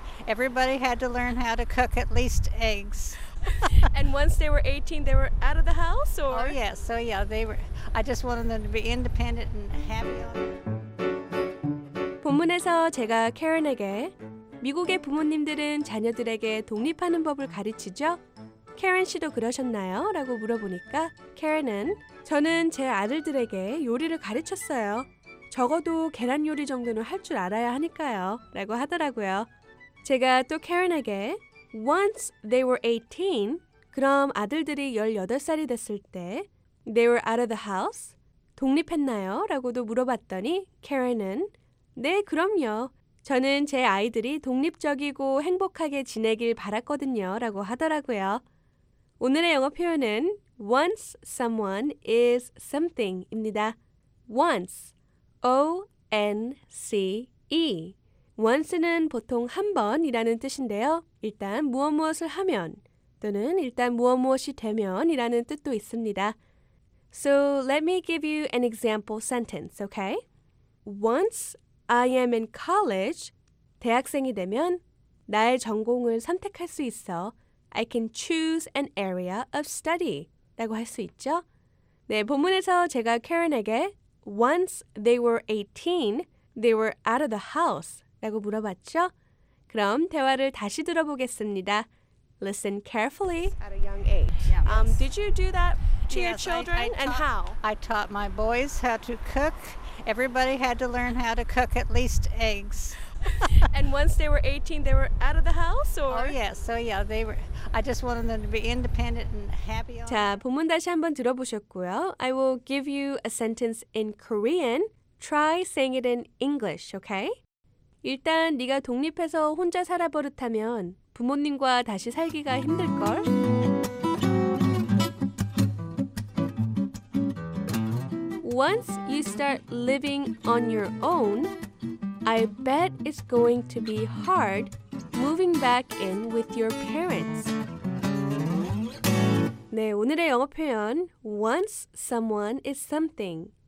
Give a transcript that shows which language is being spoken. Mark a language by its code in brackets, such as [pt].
[en] Everybody had to learn how to cook at least eggs. And once they were 18, they were out of the house? Or? Oh, yes. So, yeah, they were. I just wanted them to be independent and happy. [ko] 본문에서 제가 Karen에게 미국의 부모님들은 자녀들에게 독립하는 법을 가르치죠? Karen 씨도 그러셨나요? 라고 물어보니까 Karen은 저는 제 아들들에게 요리를 가르쳤어요. 적어도 계란 요리 정도는 할 줄 알아야 하니까요. 라고 하더라고요. 제가 또 Karen에게 [en] Once they were 18, [ko] 그럼 아들들이 18살이 됐을 때 [en] They were out of the house? [ko] 독립했나요? 라고도 물어봤더니 Karen은 네, 그럼요. 저는 제 아이들이 독립적이고 행복하게 지내길 바랐거든요. 라고 하더라고요. 오늘의 영어 표현은 [en] Once someone is something [ko] 입니다. [en] Once, O-N-C-E. [ko] Once는 보통 한 번이라는 뜻인데요. 일단 무엇무엇을 하면 또는 일단 무엇무엇이 되면 이라는 뜻도 있습니다. [en] So let me give you an example sentence, okay? Once I am in college, [ko] 대학생이 되면 나의 전공을 선택할 수 있어. [en] I can choose an area of study [ko] 라고 할 수 있죠. 네, 본문에서 제가 Karen에게 [en] Once they were 18, they were out of the house [ko] 라고 물어봤죠. 그럼 대화를 다시 들어보겠습니다. [en] Listen carefully. At a young age. Yeah, yes. Did you do that to your children? I and how? I taught my boys how to cook. Everybody had to learn how to cook at least eggs. And once they were 18, they were out of the house? Or? Oh, yes. So, yeah, they were. I just wanted them to be independent and happy. [ko] 자, 본문 다시 한번 들어보셨고요. [en] I will give you a sentence in Korean. Try saying it in English, okay? [ko] 일단 네가 독립해서 혼자 살아버릇하면 부모님과 다시 살기가 힘들걸? [en] Once you start living on your own, I bet it's going to be hard moving back in with your parents. [ko] 네, 오늘의 영어 표현 [en] Once someone is something.